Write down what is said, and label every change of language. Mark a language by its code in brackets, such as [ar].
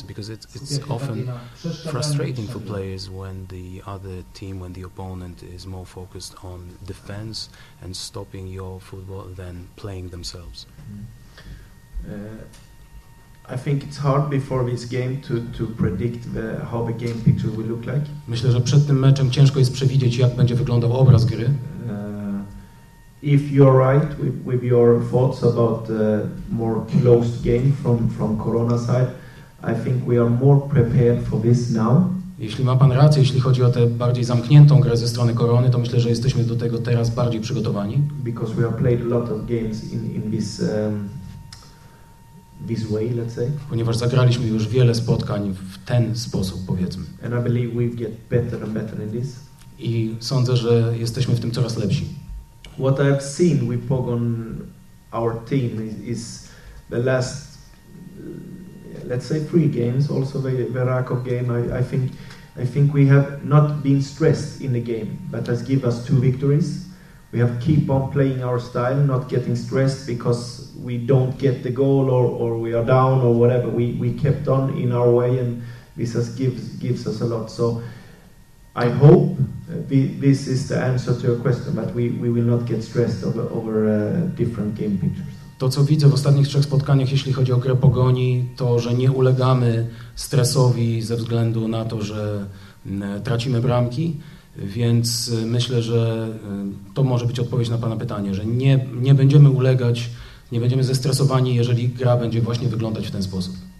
[en] Because it's often frustrating for players when the other team, when the opponent is more focused on defense and stopping your football than playing themselves. I think it's hard before this game to predict how the game picture will look like. [pl] Myślę, że przed tym meczem ciężko jest przewidzieć, jak będzie wyglądał obraz gry. [en] If you're right with your thoughts about more closed game from Corona side, I think we are more prepared for this now. [pl] Jeśli ma pan rację, jeśli chodzi o tę bardziej zamkniętą grę ze strony Korony, to myślę, że jesteśmy do tego teraz bardziej przygotowani. [en] Because we have played a lot of games in this this way, let's say. [pl] Ponieważ zagraliśmy już wiele spotkań w ten sposób, powiedzmy. [en] And I believe we get better and better in this. [pl] I sądzę, że jesteśmy w tym coraz lepsi. [en] What I've seen with Pogon, our team is the last, let's say, three games, also the Rakov game. I think we have not been stressed in the game, but has given us two victories. We have keep on playing our style, not getting stressed because we don't get the goal or we are down or whatever. We kept on in our way, and this has gives us a lot. So I hope this is the answer to your question, but we will not get stressed over different game pictures. [pl] To, co widzę w ostatnich trzech spotkaniach, jeśli chodzi o grę Pogoni, to, że nie ulegamy stresowi ze względu na to, że tracimy bramki, więc myślę, że to może być odpowiedź na pana pytanie, że nie będziemy ulegać, nie będziemy zestresowani, jeżeli gra będzie właśnie wyglądać w ten sposób.